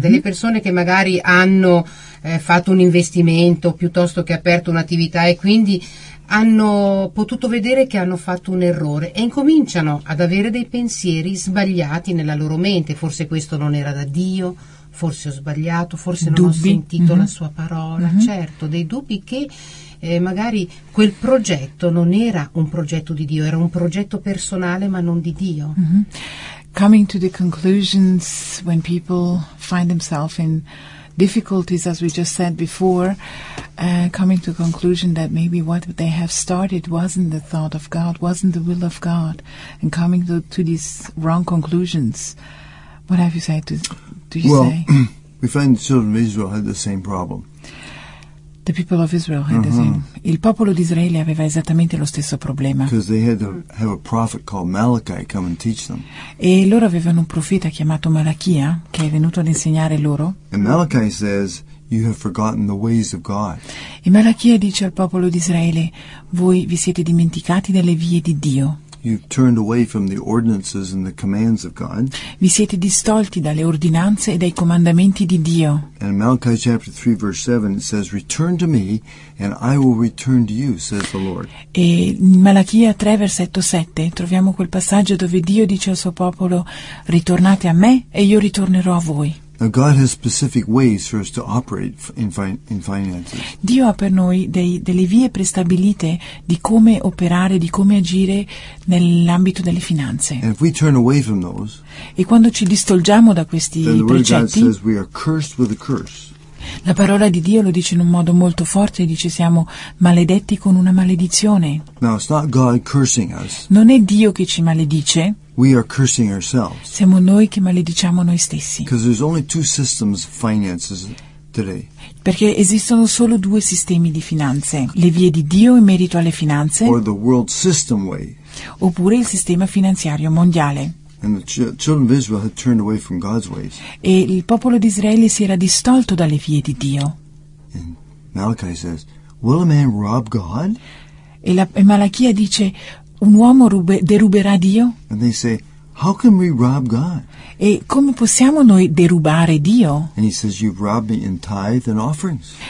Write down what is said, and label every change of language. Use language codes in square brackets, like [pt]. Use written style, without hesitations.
[it] delle persone che magari hanno fatto un investimento piuttosto che aperto un'attività e quindi hanno potuto vedere che hanno fatto un errore e incominciano ad avere dei pensieri sbagliati nella loro mente. Forse questo non era da Dio, forse ho sbagliato, forse non dubbi. Ho sentito mm-hmm. la sua parola. Mm-hmm. Certo, dei dubbi che magari quel progetto non era un progetto di Dio, era un progetto personale ma non di Dio. Mm-hmm. [en] Coming to the conclusions when people find themselves in difficulties, as we just said before, coming to a conclusion that maybe what they have started wasn't the thought of God, wasn't the will of God, and coming to these wrong conclusions. What have you said to do you well, say? Well, we find the children of Israel had the same problem. The people of Israel had mm-hmm. the same. [it] Il popolo di Israele aveva esattamente lo stesso problema. [en] Because they had to have a prophet called Malachi come and teach them. [it] E loro avevano un profeta chiamato Malachia che è venuto ad insegnare loro. [en] And Malachi says, "You have forgotten the ways of God." [it] E Malachia dice al popolo di Israele, "Voi vi siete dimenticati delle vie di Dio." [en] You've turned away from the ordinances and the commands of God. [it] Vi siete distolti dalle ordinanze e dai comandamenti di Dio. [en] And in Malachi chapter 3 verse 7 it says, "Return to me and I will return to you," says the Lord. [it] E in Malachia 3 versetto 7 troviamo quel passaggio dove Dio dice al suo popolo, "Ritornate a me e io ritornerò a voi." [en] Now God has specific ways for us to operate in finances. [it] Dio ha per noi delle vie prestabilite di come operare, di come agire nell'ambito delle finanze. [en] And if we turn away from those, [it] e quando ci distolgiamo da questi precetti, [en] then the Word of God says we are cursed with a curse. [it] La parola di Dio lo dice in un modo molto forte, dice siamo maledetti con una maledizione. [en] Now it's not God cursing us. [it] Non è Dio che ci maledice. [en] We are cursing ourselves. [it] Siamo noi che malediciamo noi stessi. [en] Because there's only two systems of finances today. [it] Perché esistono solo due sistemi di finanze, le vie di Dio in merito alle finanze, [en] or the world system way. [it] Oppure il sistema finanziario mondiale. [en] And the children of Israel had turned away from God's ways. [it] E il popolo di Israele si era distolto dalle vie di Dio. [en] And Malachi says, "Will a man rob God?" [it] E Malachia dice, un uomo deruberà Dio? [en] And they say, "How can we rob God?" [it] E come possiamo noi derubare Dio? [en] And he says, "You've robbed me in tithe and offerings."